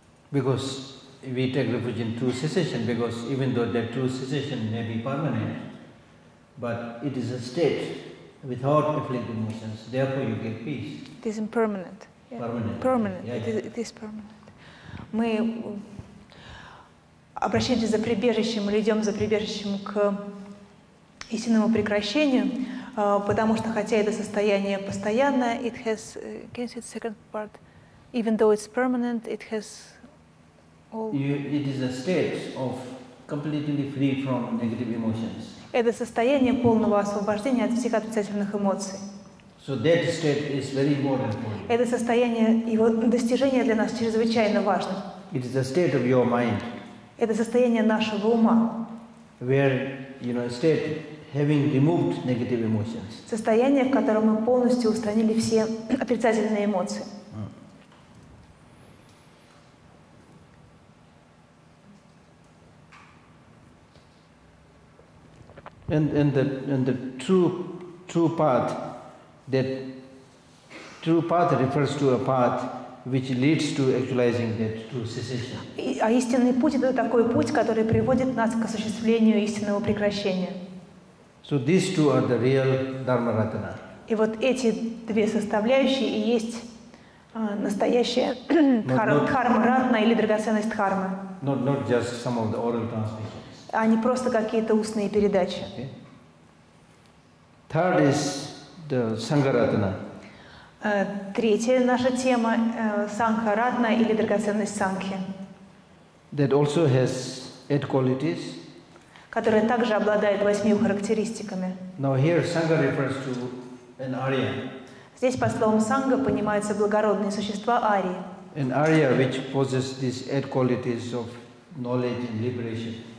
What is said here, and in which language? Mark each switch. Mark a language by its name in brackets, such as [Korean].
[English] Because we take refuge in true cessation, because even though that true cessation may be permanent, but it is a state without afflicted emotions. Therefore, you get peace. It is impermanent. Yeah. Permanent. It is permanent. [Russian] Мы обращаемся за прибежищем, или идем за прибежищем к истинному прекращению, потому что хотя это состояние постоянное, [English] it has, can you see the second part? Even though it's permanent, it has It is a state of completely free from negative emotions. [Russian] Это состояние полного освобождения от всех отрицательных эмоций. [English] So that state is very important. [Russian] Это состояние, его достижение для нас чрезвычайно важно. [English] It is the state of your mind. [Russian] Это состояние нашего ума. [English] Where, you know, state having removed negative emotions. [Russian] Состояние, в котором мы полностью устранили все отрицательные эмоции. [English] And the true path refers to a path which leads to actualizing that true cessation. [Russian] А истинный путь — это такой путь, который приводит нас к осуществлению истинного прекращения. [English] So these two are the real dharma ratna. [Russian] И вот эти две составляющие и есть настоящая дхарма ратна или драгоценность дхармы. [English] Not just some of the oral transmissions. [Russian] А не просто какие-то устные передачи. [English] Third is the Sangharatana. [Russian] Третья наша тема Sangharatna или драгоценность Санхи. [English] That also has eight qualities. [Russian] Которая также обладает восьмью характеристиками. [English] Now here Sangha refers to an Arya. [Russian] Здесь по словам Sangha понимаются благородные существа Арии. [English] An Arya which possesses these eight qualities of knowledge and liberation.